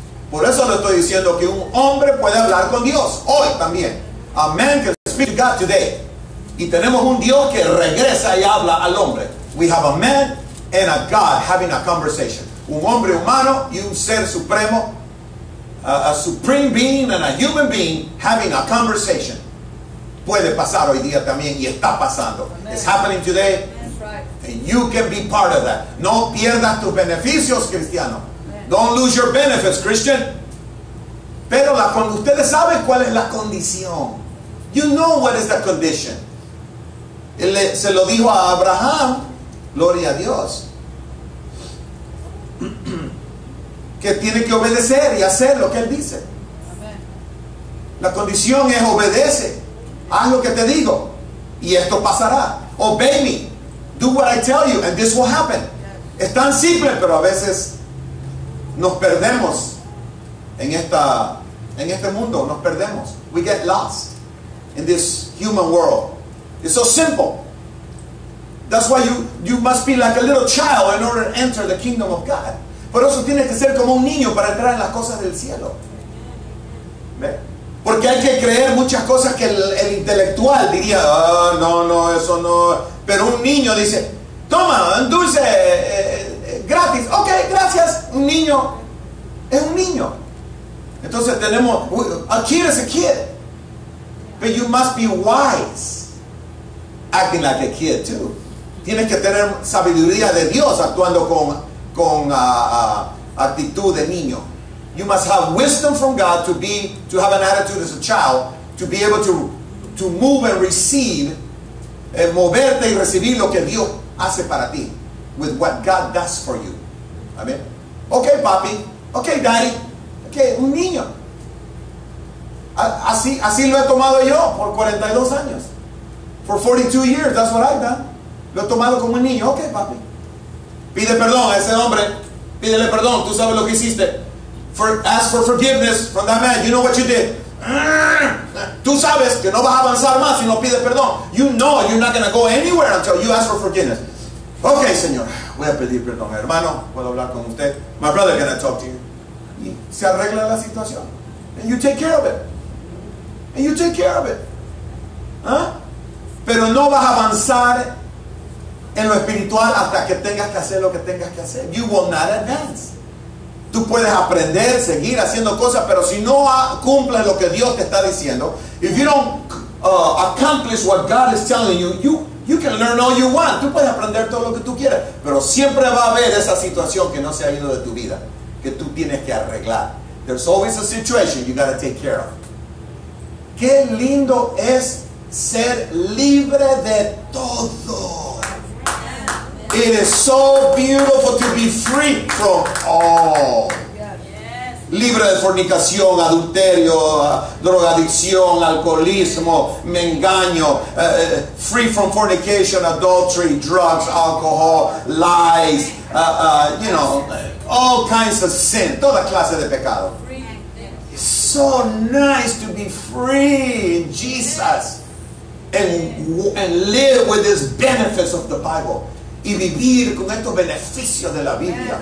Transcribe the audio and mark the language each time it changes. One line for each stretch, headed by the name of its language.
Spanish: Por eso le estoy diciendo que un hombre puede hablar con Dios hoy también.
English: A man can speak to God today.
Spanish: Y tenemos un Dios que regresa y habla al hombre.
English: We have a man and a God having a conversation.
Spanish: Un hombre humano y un ser supremo,
English: a supreme being and a human being having a conversation.
Spanish: Puede pasar hoy día también y está pasando.
English: Amen. It's happening today. Right. And you can be part of that.
Spanish: No pierdas tus beneficios, cristiano.
English: Amen. Don't lose your benefits, Christian.
Spanish: Pero cuando ustedes saben cuál es la condición,
English: you know what is the condition.
Spanish: Se lo dijo a Abraham, gloria a Dios, que tiene que obedecer y hacer lo que él dice. La condición es obedece, haz lo que te digo y esto pasará.
English: Obey me, do what I tell you and this will happen.
Spanish: Es tan simple, pero a veces nos perdemos en esta, en este mundo nos perdemos.
English: We get lost in this human world. It's so simple. That's why you must be like a little child in order to enter the kingdom of God.
Spanish: Por eso tienes que ser como un niño para entrar en las cosas del cielo. ¿Ve? Porque hay que creer muchas cosas que el intelectual diría, no, eso no. Pero un niño dice, toma, un dulce, gratis. Ok, gracias, un niño. Es un niño. Entonces tenemos,
English: a kid is a kid. But you must be wise. Acting like a kid too.
Spanish: Tienes que tener sabiduría de Dios actuando con actitud de niño.
English: You must have wisdom from God to have an attitude as a child, to be able to move and receive,
Spanish: moverte y recibir lo que Dios hace para ti,
English: with what God does for you. Amen. Okay, papi. Okay, daddy. Okay, un niño.
Spanish: Así lo he tomado yo por 42 años.
English: For 42 years, that's what I've done.
Spanish: Lo he tomado como un niño. Ok, papi. Pide perdón a ese hombre. Pídele perdón. Tú sabes lo que hiciste.
English: Ask for forgiveness from that man. You know what you did.
Spanish: Tú sabes que no vas a avanzar más si no pides perdón.
English: You know you're not going to go anywhere until you ask for forgiveness.
Spanish: Ok, señor. Voy a pedir perdón. Hermano, puedo hablar con usted.
English: My brother, can I talk to you?
Spanish: Y se arregla la situación.
English: And you take care of it. And you take care of it. ¿Ah?
Spanish: Pero no vas a avanzar en lo espiritual hasta que tengas que hacer lo que tengas que hacer.
English: You will not advance.
Spanish: Tú puedes aprender, seguir haciendo cosas, pero si no cumples lo que Dios te está diciendo,
English: if you don't accomplish what God is telling you, you can learn all you want.
Spanish: Tú puedes aprender todo lo que tú quieras, pero siempre va a haber esa situación que no se ha ido de tu vida, que tú tienes que arreglar.
English: There's always a situation you got to take care of.
Spanish: Qué lindo es ser libre de todo.
English: It is so beautiful to be free from all.
Spanish: Libre de fornicación, adulterio, drogadicción, alcoholismo, me engaño.
English: Free from fornication, adultery, drugs, alcohol, lies, you know, all kinds of sin.
Spanish: Toda clase de pecado.
English: It's so nice to be free in Jesus. And live with these benefits of the Bible.
Spanish: Y vivir con estos beneficios de la Biblia.